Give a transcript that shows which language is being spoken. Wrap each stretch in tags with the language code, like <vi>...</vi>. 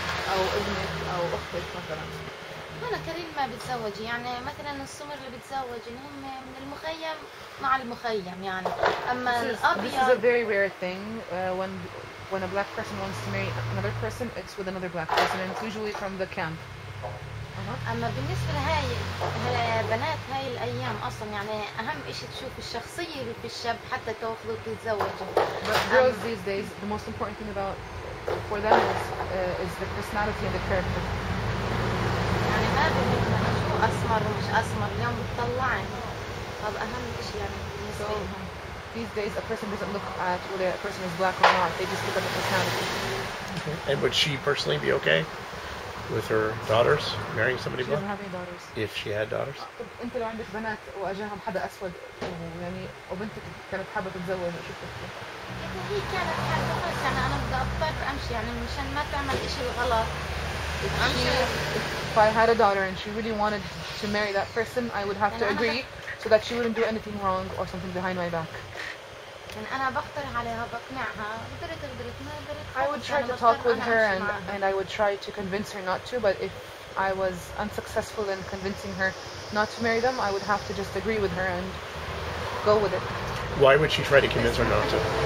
<ar>أو ابنك أو أختك مثلا. أنا كريم ما بتزوج، يعني مثلا السمر اللي بتزوج إن هم من المخيم مع المخيم يعني. أما الأبيض.</ar> <en>This is a very rare thing when a black person wants to marry another person, it's with another black person and it's usually from the camp.</en> <ar>أما بالنسبة لهاي البنات هاي الأيام أصلا يعني أهم إشي تشوف الشخصية اللي في الشاب حتى تأخذه تتزوجه.</ar> <en>But girls these days, the most important thing about for them is the personality and the character.</en> <ar>يعني ما بدنا نشوف أسمر ومش أسمر، اليوم بتطلعن هذا أهم إشي يعني بالنسبة لهم.</ar> <en>These days a person doesn't look at whether a person is black or not, they just look at the personality. Okay. And would she personally be okay with her daughters marrying somebody black? She doesn't have any daughters. If she had daughters?</en> <ar>انت لو عندك بنات واجاهم حدا اسود يعني وبنتك كانت حابه تتزوج شو بتحكي؟ هي كانت حابه بس يعني انا بدي اضطر امشي يعني مشان ما تعمل شيء غلط.</ar> <en>If I had a daughter and she really wanted to marry that person, I would have to agree so that she wouldn't do anything wrong or something behind my back.</en> <ar>يعني أنا بقدر عليها بقنعها قدرت ما قدرت.</ar> <en>I would try to talk with her and I would try to convince her not to, but if I was unsuccessful in convincing her not to marry them, I would have to just agree with her and go with it. Why would she try to convince her not to?</en>